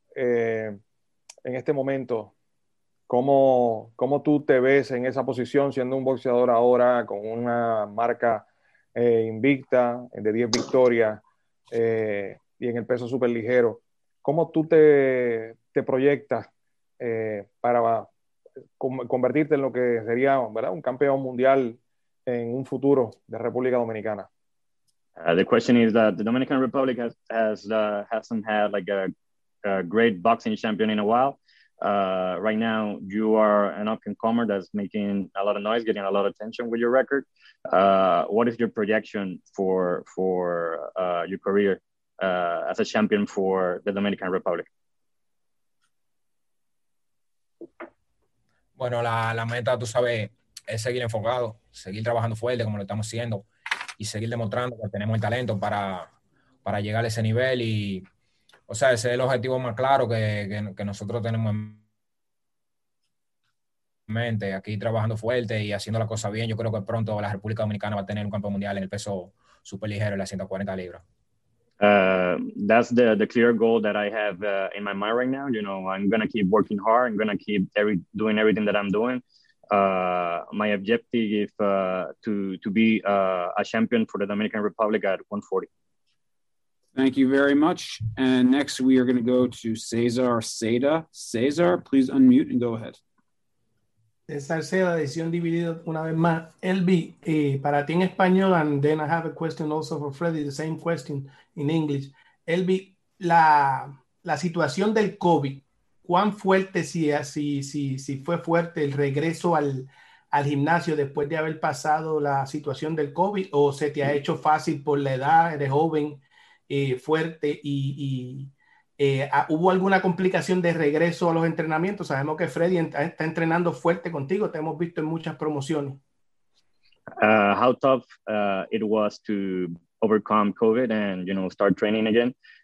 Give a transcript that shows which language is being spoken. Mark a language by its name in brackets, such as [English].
[Spanish] En este momento, ¿cómo tú te ves en esa posición, siendo un boxeador ahora con una marca invicta de 10 victorias y en el peso súper ligero? ¿Cómo tú te proyectas para convertirte en lo que sería, ¿verdad?, un campeón mundial en un futuro de República Dominicana? [English] The question is that the Dominican Republic hasn't had like a great boxing champion in a while. Right now, you are an up-and-comer that's making a lot of noise, getting a lot of attention with your record. What is your projection for your career as a champion for the Dominican Republic? [Spanish] Bueno, la meta, tú sabes, es seguir enfocado, seguir trabajando fuerte como lo estamos haciendo y seguir demostrando que tenemos el talento para llegar a ese nivel. Y, o sea, ese es el objetivo más claro que nosotros tenemos en mente, aquí trabajando fuerte y haciendo la cosa bien. Yo creo que pronto la República Dominicana va a tener un campeón mundial en el peso super ligero en las 140 libras. [English] That's the clear goal that I have in my mind right now. You know, I'm going to keep working hard. I'm going to keep doing everything that I'm doing. My objective is to be a champion for the Dominican Republic at 140. Thank you very much. And next we are going to go to Cesar Seda. Cesar, please unmute and go ahead. [Spanish] Cesar Seda, Decisión Dividida, una vez más. [English] Elvi, [Spanish] para ti en español, [English] and then I have a question also for Freddy, the same question in English. [Spanish] Elvi, la situación del COVID, ¿cuán fuerte si fue fuerte el regreso al gimnasio después de haber pasado la situación del COVID? ¿O se te ha hecho fácil por la edad, eres joven, fuerte y ¿hubo alguna complicación de regreso a los entrenamientos? Sabemos que Freddy está entrenando fuerte contigo. Te hemos visto en muchas promociones. [English] How tough it was to overcome COVID and, you know, start training again.